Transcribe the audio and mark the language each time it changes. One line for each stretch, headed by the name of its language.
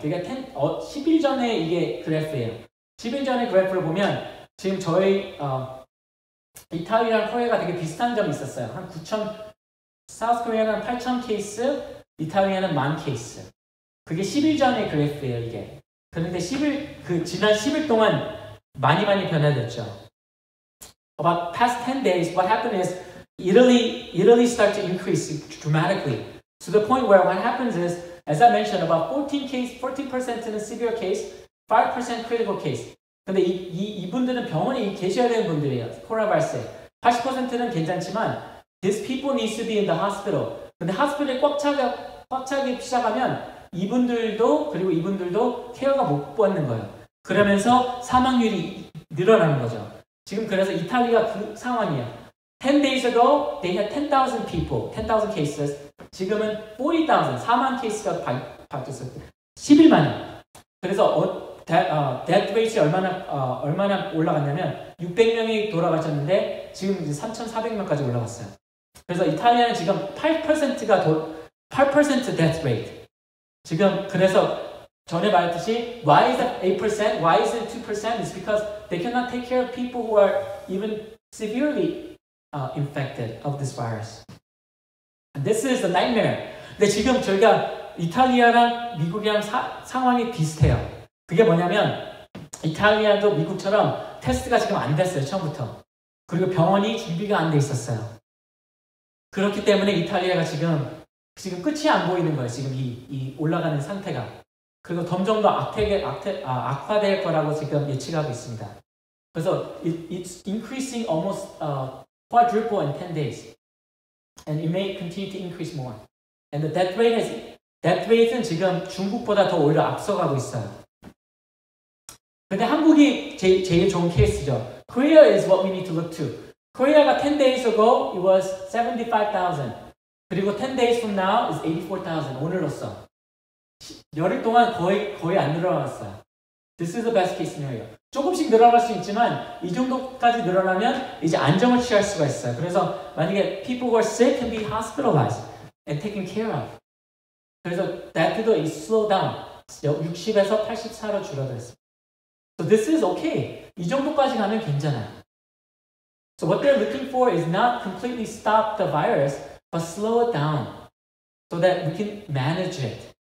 Korean: 그러니까 10일 전에 이게 그래프예요. 10일 전에 그래프를 보면 지금 저희 이탈리아랑 코리아가 되게 비슷한 점이 있었어요. 한 9,000, South Korea는 8,000 케이스, 이탈리아는 1만 케이스. 그게 10일 전의 그래프예요, 이게. 그런데 지난 10일 동안 많이 많이 변화됐죠.
English: About past 10 days, what happened is Italy started to increase dramatically. To the point where what happens is, as I mentioned, about 14% is severe case, 5% critical case.
Korean: 근데 이분들은 병원에 계셔야 되는 분들이에요, 코로나바이러스에. 80%는 괜찮지만,
English: these people need to be in the hospital.
Korean: 근데 hospital에 꽉 차게 시작하면, 이분들도 그리고 이분들도 케어가 못 받는 거예요. 그러면서 사망률이 늘어나는 거죠. 지금 그래서 이탈리아 그 상황이에요.
English: 10 days ago they had 10,000 people, 10,000 cases.
Korean: 지금은 40,000, 4만 케이스가 바뀌었어요. 10일 만에. 그래서 death rate가 얼마나 올라갔냐면 600명이 돌아가셨는데 지금 이제 3,400명까지 올라갔어요. 그래서 이탈리아는 지금 8% death rate. 지금 그래서 전에 말했듯이
English: why is that 8%? Why is it 2%? It's because they cannot take care of people who are even severely infected of this virus. And this is a nightmare.
Korean: 근데 지금 저희가 이탈리아랑 미국이랑 상황이 비슷해요. 그게 뭐냐면 이탈리아도 미국처럼 테스트가 지금 안 됐어요, 처음부터. 그리고 병원이 준비가 안 돼 있었어요. 그렇기 때문에 이탈리아가 지금 끝이 안 보이는 거예요. 지금 이 올라가는 상태가. 그리고 점점 더 악화될 거라고 지금 예측하고 있습니다. 그래서
English: it's increasing almost quadruple in 10 days. And it may continue to increase more. And the death rate is,
Korean: death rate은 지금 중국보다 더 오히려 앞서가고 있어요. 근데 한국이 제일 좋은 케이스죠.
English: Korea is what we need to look to. Korea가 10 days ago, it was 75,000. 그리고 10 days from now is 84,000, 오늘로써.
Korean: 열흘 동안 거의 안 늘어났어요.
English: This is the best case scenario.
Korean: 조금씩 늘어날 수 있지만 이 정도까지 늘어나면 이제 안정을 취할 수가 있어요.
English: 그래서 만약에 people who are sick can be hospitalized and taken care of.
Korean: 그래서 death도
English: is slow down.
Korean: 60에서 84로 줄어들었어요.
English: So this is okay.
Korean: 이 정도까지 가면 괜찮아요.
English: So what they're looking for is not completely stop the virus, but slow it down so that we can manage it.